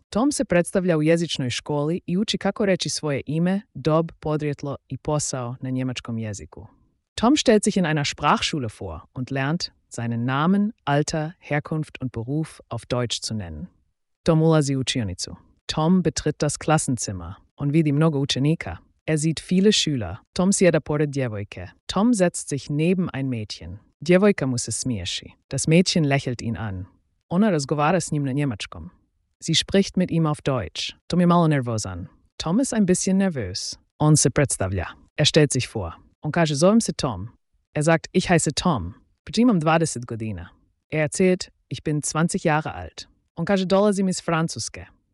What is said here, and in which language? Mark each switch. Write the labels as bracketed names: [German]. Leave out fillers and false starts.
[Croatian] Tom se predstavlja u jezičnoj školi i uči kako reći svoje ime, dob, podrijetlo i posao na njemačkom jeziku. [German] Tom stellt sich in einer Sprachschule vor und lernt, seinen Namen, Alter, Herkunft und Beruf auf Deutsch zu nennen. [Croatian] Tom ulazi u učionicu. [German] Tom betritt das Klassenzimmer und [Croatian] vidi mnogo učenika. [German] Er sieht viele Schüler. [Croatian] Tom sjeda pored djevojke. [German] Tom setzt sich neben ein Mädchen. [Croatian] Djevojka mu se smiješi. [German] Das Mädchen lächelt ihn an. [Croatian] Ona razgovara s njim na njemačkom. [German] Sie spricht mit ihm auf Deutsch. [Croatian] Tom je malo nervosan. [German] Tom ist ein bisschen nervös. [Croatian] On se predstavlja. [German] Er stellt sich vor. [Croatian] On kaže, zovem se Tom. [German] Er sagt, ich heiße Tom. [Croatian] Primam 20 godina. [German] Er erzählt, ich bin 20 Jahre alt. [Croatian] On kaže, dolazim iz Francuske.